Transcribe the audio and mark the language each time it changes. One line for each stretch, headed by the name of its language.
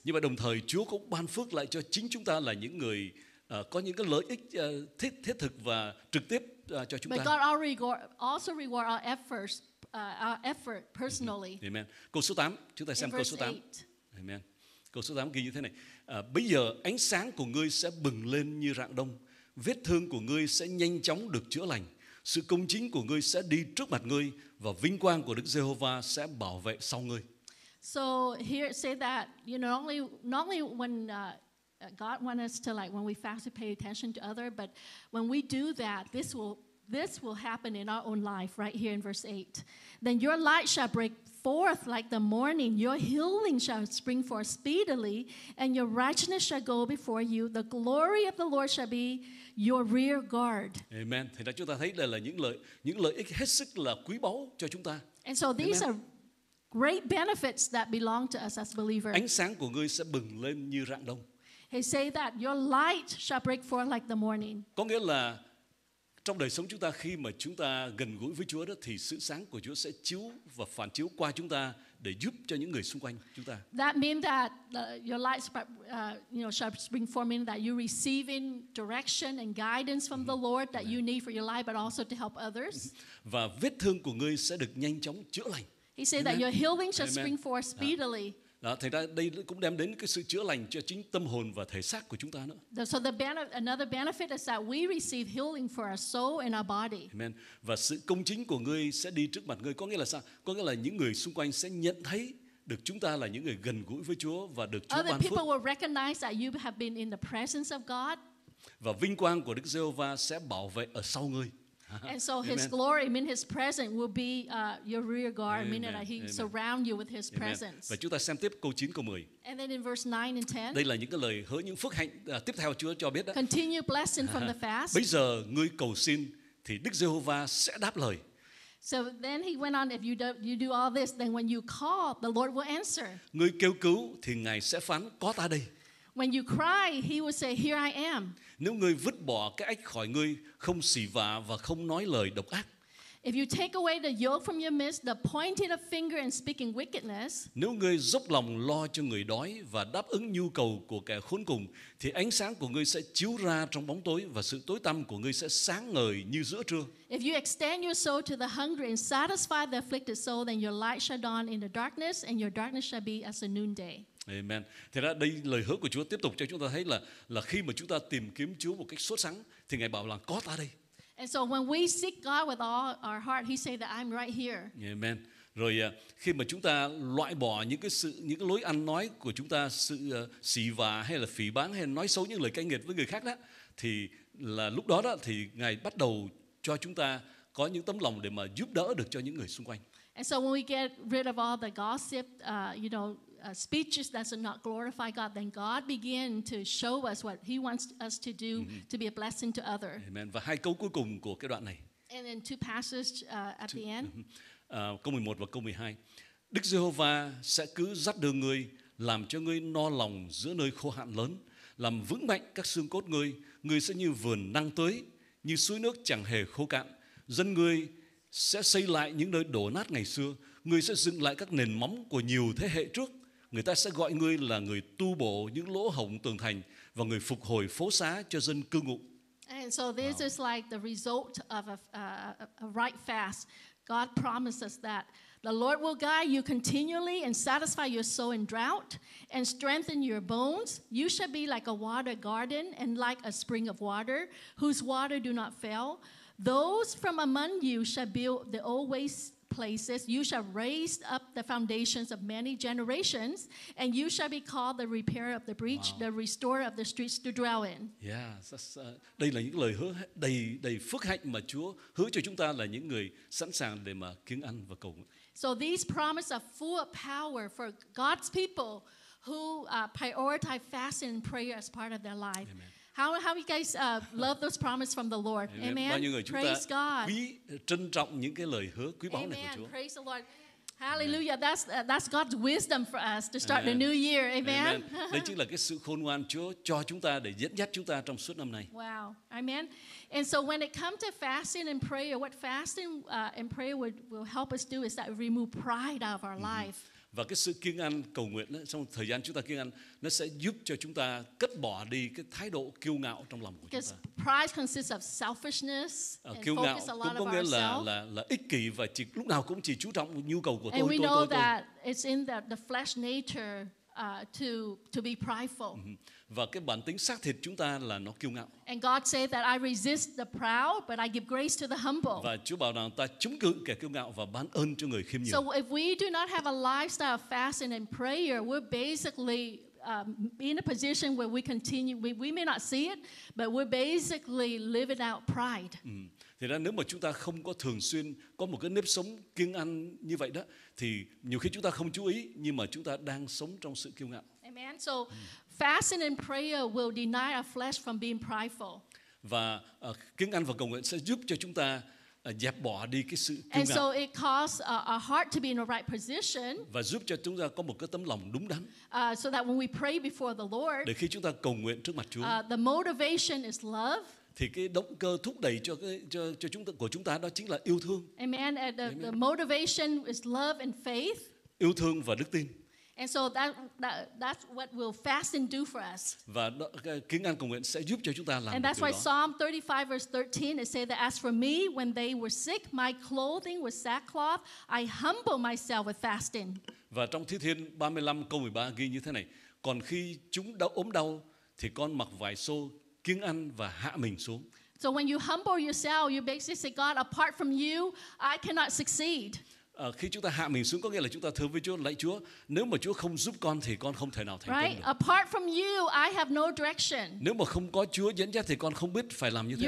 Vietnamese: Nhưng mà đồng thời Chúa cũng ban phước lại cho chính chúng ta là những người có những cái lợi ích thiết thực và trực tiếp cho chúng ta.
English: But God also reward our effort personally. Amen.
Vietnamese: Câu số 8, chúng ta xem câu số 8. Amen. Câu số 8 ghi như thế này. Bây giờ ánh sáng của ngươi sẽ bừng lên như rạng đông. Vết thương của ngươi sẽ nhanh chóng được chữa lành. Sự công chính của ngươi sẽ đi trước mặt ngươi và vinh quang của Đức Giê-hô-va sẽ bảo vệ sau ngươi.
English: So here it says that, you know, not only when God wants us to, like, when we fast to pay attention to other, but when we do that, this will happen in our own life right here in verse 8. Then your light shall break forth like the morning, your healing shall spring forth speedily, and your righteousness shall go before you. The glory of the Lord shall be your rear guard. Amen.
Vietnamese: Thì đó chúng ta thấy đây là những lợi ích hết sức là quý báu cho chúng ta.
English: And so these are great benefits that belong to us as believers.
Vietnamese: Ánh sáng của ngươi sẽ bừng lên như rạng đông.
English: He say that your light shall break forth like the morning.
Vietnamese: Có nghĩa là trong đời sống chúng ta, khi mà chúng ta gần gũi với Chúa đó, thì sự sáng của Chúa sẽ chiếu và phản chiếu qua chúng ta để giúp cho những người xung quanh chúng ta.
English: That means that your light shall spring forth, meaning that you're receiving direction and guidance from the Lord that you need for your life, but also to help others.
Vietnamese: Và vết thương của ngươi sẽ được nhanh chóng chữa lành.
English: He say that your healing shall spring forth speedily.
Vietnamese: Đó, thành ra đây cũng đem đến cái sự chữa lành cho chính tâm hồn và thể xác của chúng ta nữa.
English: So another benefit is that we receive healing for our soul and our body. Amen.
Vietnamese: Và sự công chính của ngươi sẽ đi trước mặt ngươi, có nghĩa là sao? Có nghĩa là những người xung quanh sẽ nhận thấy được chúng ta là những người gần gũi với Chúa và được Chúa ban phước.
English: Other people will recognize that you have been in the presence of God.
Vietnamese: Và vinh quang của Đức Giê-hô-va sẽ bảo vệ ở sau ngươi.
English: And so his glory, meaning his presence, will be your rear guard, meaning that he surround you with his presence.
Vietnamese: Và chúng ta xem tiếp câu 9, câu 10.
English: And then in verse 9 and 10.
Vietnamese: Đây là những cái lời hứa, những phước hạnh tiếp theo Chúa cho biết đó.
English: Continue blessing from the fast.
Vietnamese: Bây giờ ngươi cầu xin thì Đức Giê-hô-va sẽ đáp lời.
English: So then he went on, if you do all this, then when you call, the Lord will answer.
Vietnamese: Ngươi kêu cứu thì Ngài sẽ phán, có ta đây.
English: When you cry, he will say, "Here I am."
Vietnamese: Nếu ngươi vứt bỏ cái ách khỏi ngươi, không xỉ vả và không nói lời độc ác.
English: If you take away the yoke from your midst, the pointing of finger and speaking wickedness.
Vietnamese: Nếu ngươi dốc lòng lo cho người đói và đáp ứng nhu cầu của kẻ khốn cùng, thì ánh sáng của ngươi sẽ chiếu ra trong bóng tối và sự tối tăm của ngươi sẽ sáng ngời như giữa trưa.
English: If you extend your soul to the hungry and satisfy the afflicted soul, then your light shall dawn in the darkness, and your darkness shall be as a noonday. Amen.
Vietnamese: Thế ra đây lời hứa của Chúa tiếp tục cho chúng ta thấy là khi mà chúng ta tìm kiếm Chúa một cách sốt sắng thì Ngài bảo là có ta đây.
English: And so when we seek God with all our heart, he say that I'm right here. Amen.
Vietnamese: Rồi khi mà chúng ta loại bỏ những cái lối ăn nói của chúng ta, sự xỉ vả hay là phỉ báng hay là nói xấu những lời cay nghiệt với người khác đó, thì là lúc đó đó thì Ngài bắt đầu cho chúng ta có những tấm lòng để mà giúp đỡ được cho những người xung quanh.
English: And so when we get rid of all the gossip, speeches that does not glorify God, then God begin to show us what he wants us to do to be a blessing to others. Amen.
Vietnamese: Và hai câu cuối cùng của cái đoạn này.
English: And then two passages at the end.
Vietnamese: Câu 11 và câu 12. Đức Giê-hô-va sẽ cứ dắt đường ngươi, làm cho ngươi no lòng giữa nơi khô hạn lớn, làm vững mạnh các xương cốt ngươi. Ngươi sẽ như vườn năng tưới, như suối nước chẳng hề khô cạn. Dân ngươi sẽ xây lại những nơi đổ nát ngày xưa. Ngươi sẽ dựng lại các nền móng của nhiều thế hệ trước. Người ta sẽ gọi ngươi là người tu bổ những lỗ hổng tường thành và người phục hồi phố xá cho dân cư ngụ.
English: And so this is like the result of a right fast. God promises that the Lord will guide you continually and satisfy your soul in drought and strengthen your bones. You shall be like a water garden and like a spring of water whose water do not fail. Those from among you shall build the old waste places. You shall raise up the foundations of many generations, and you shall be called the repairer of the breach, wow, the restorer of the streets to dwell in.
Vietnamese: Yeah, đây là những lời hứa đầy phước hạnh mà Chúa hứa cho chúng ta là những người sẵn sàng để mà kiêng ăn và cầu nguyện.
English: So these promises are full of power for God's people who prioritize fasting and prayer as part of their life. Amen. How you guys love those promises from the Lord? Amen.
Vietnamese: Bao nhiêu người chúng
English: praise
Vietnamese: ta
English: God.
Vietnamese: Quý trân trọng những cái lời hứa quý báu
English: Amen.
Vietnamese: Này của Chúa.
English: Praise the Lord. Hallelujah. Amen. That's God's wisdom for us to start Amen. The new year. Amen.
Vietnamese: Đây chính là cái sự khôn ngoan Chúa cho chúng ta để dẫn dắt chúng ta trong suốt năm nay.
English: Wow. Amen. And so when it comes to fasting and prayer, what fasting and prayer will help us do is that remove pride out of our life.
Vietnamese: Và cái sự kiêng ăn cầu nguyện đó, trong thời gian chúng ta kiêng ăn, nó sẽ giúp cho chúng ta cất bỏ đi cái thái độ kiêu ngạo trong lòng của chúng ta.
English: Pride consists of selfishness and
Vietnamese: kiêu ngạo cũng có nghĩa là ích kỷ và chỉ lúc nào cũng chỉ chú trọng nhu cầu của tôi.
English: And we
Vietnamese: tôi,
English: know
Vietnamese: tôi,
English: that
Vietnamese: tôi.
English: It's in the flesh nature to be prideful.
Vietnamese: Và cái bản tính xác thịt chúng ta là nó kiêu ngạo.
English: And God says that I resist the proud, but I give grace to the humble.
Vietnamese: Và Chúa bảo rằng ta chống cự kẻ kiêu ngạo và ban ơn cho người khiêm nhường.
English: So if we do not have a lifestyle of fasting and prayer, we're basically in a position where we continue. We may not see it, but we're basically living out pride.
Vietnamese: Thì ra nếu mà chúng ta không có thường xuyên có một cái nếp sống kiêng ăn như vậy đó, thì nhiều khi chúng ta không chú ý, nhưng mà chúng ta đang sống trong sự kiêu ngạo.
English: Amen. So fasting and prayer will deny our flesh from being prideful.
Vietnamese: Và kiêng ăn và cầu nguyện sẽ giúp cho chúng ta dẹp bỏ đi cái sự kiêu ngạo.
English: And so it causes our heart to be in the right position.
Vietnamese: Và giúp cho chúng ta có một cái tấm lòng đúng đắn.
English: So that when we pray before the Lord,
Vietnamese: để khi chúng ta cầu nguyện trước mặt Chúa,
English: the motivation is love.
Vietnamese: Thì cái động cơ thúc đẩy cho chúng ta của chúng ta đó chính là yêu thương.
English: Amen. The motivation is love and faith.
Vietnamese: Yêu thương và đức tin.
English: And so that's what will fasting do for us.
Vietnamese: Và kiêng ăn cầu nguyện sẽ giúp cho chúng ta làm điều đó.
English: And that's why Psalm 35 verse 13 it says that as for me when they were sick my clothing was sackcloth I humble myself with fasting.
Vietnamese: Và trong Thi Thiên 35 câu 13 ghi như thế này: còn khi chúng đau ốm đau thì con mặc vải xô kiêng ăn và hạ mình xuống.
English: So when you humble yourself, you basically say, God, apart from you, I cannot succeed.
Vietnamese: Khi chúng ta hạ mình xuống có nghĩa là chúng ta thưa với Chúa, lạy Chúa, nếu mà Chúa không giúp con thì con không thể nào thành
English: right?
Vietnamese: công được.
English: Apart from you, I have no direction.
Vietnamese: Nếu mà không có Chúa dẫn dắt thì con không biết phải làm như thế